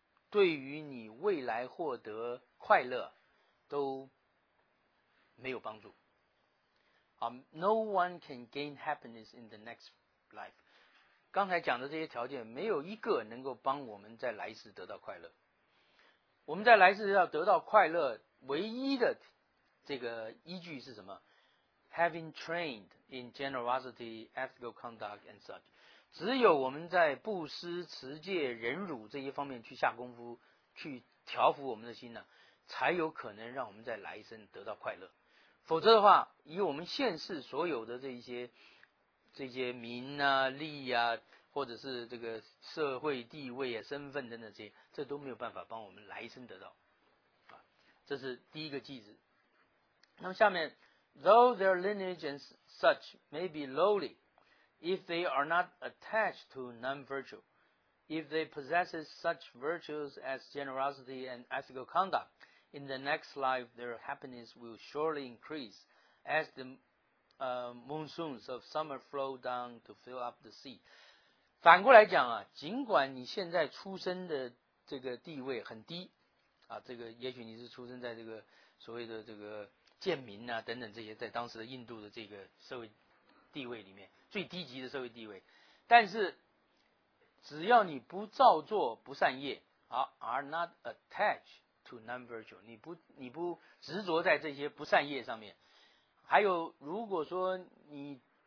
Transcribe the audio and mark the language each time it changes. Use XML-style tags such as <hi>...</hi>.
<zh>对于你未来获得快乐都没有帮助。</zh> <en>No one can gain happiness in the next life.</en> <zh>刚才讲的这些条件没有一个能够帮我们在来世得到快乐。我们在来世要得到快乐唯一的这个依据是什么？</zh> <en>Having trained in generosity, ethical conduct and such.</en> <zh>只有我们在布施、持戒、忍辱这一方面去下功夫，去调伏我们的心呢，才有可能让我们在来生得到快乐。否则的话，以我们现世所有的这些名啊、利啊，或者是这个社会地位啊、身份等等这些都没有办法帮我们来生得到。啊，这是第一个句子。那么下面</zh> <en>，though their lineage and such may be lowly。 If they are not attached to non-virtue, if they possess such virtues as generosity and ethical conduct, in the next life their happiness will surely increase as the monsoons of summer flow down to fill up the sea.</en> <zh>反过来讲啊，尽管你现在出生的这个地位很低啊，这个也许你是出生在这个所谓的这个贱民啊等等这些，在当时的印度的这个社会地位里面最低级的社会地位，但是只要你不造作不善业 ，</zh> <en>are not attached to non-virtue，</en> <zh>你不执着在这些不善业上面，还有如果说你</zh>